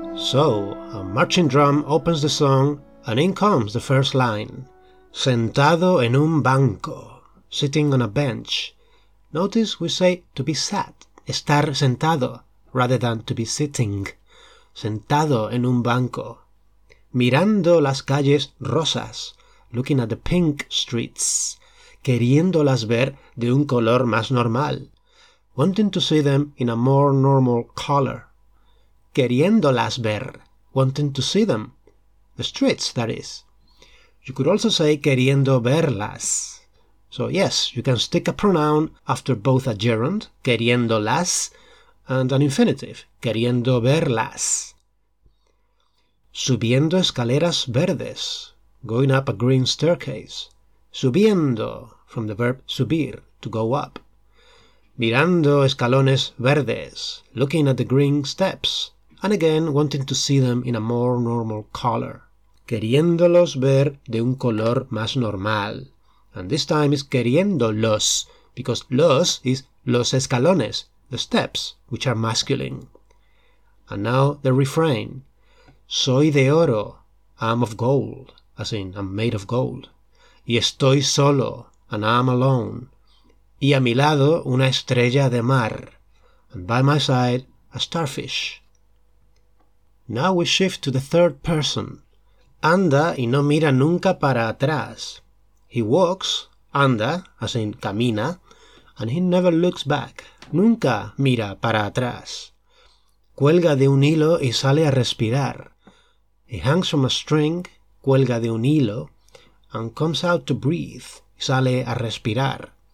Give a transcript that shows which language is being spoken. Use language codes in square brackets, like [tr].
[en] So, a marching drum opens the song, and in comes the first line. [es] Sentado en un banco. [en] Sitting on a bench. Notice we say to be sat, [es] estar sentado, [en] rather than to be sitting. [es] Sentado en un banco. Mirando las calles rosas. [en] Looking at the pink streets. [es] Queriéndolas ver de un color más normal. [en] Wanting to see them in a more normal color. [es] Queriéndolas ver, [en] wanting to see them, the streets, that is. You could also say [es] queriendo verlas. [en] So yes, you can stick a pronoun after both a gerund, queriéndolas, and an infinitive, [es] queriendo verlas. Subiendo escaleras verdes. [en] Going up a green staircase. Subiendo, from the verb subir, to go up. Mirando escalones verdes, looking at the green steps, and again wanting to see them in a more normal color. [es] Queriéndolos ver de un color más normal. [en] And this time it's queriéndolos, because los is [es] los escalones, [en] the steps, which are masculine. And now the refrain. [es] Soy de oro, [en] I'm of gold, as in I'm made of gold. [es] Y estoy solo, [en] and I'm alone. [es] Y a mi lado una estrella de mar, [en] and by my side a starfish. Now we shift to the third person. [es] Anda y no mira nunca para atrás. [en] He walks, anda, as in camina, and he never looks back. [es] Nunca mira para atrás. Cuelga de un hilo y sale a respirar. [en] He hangs from a string, [es] cuelga de un hilo, [en] and comes out to breathe, [es] y sale a respirar.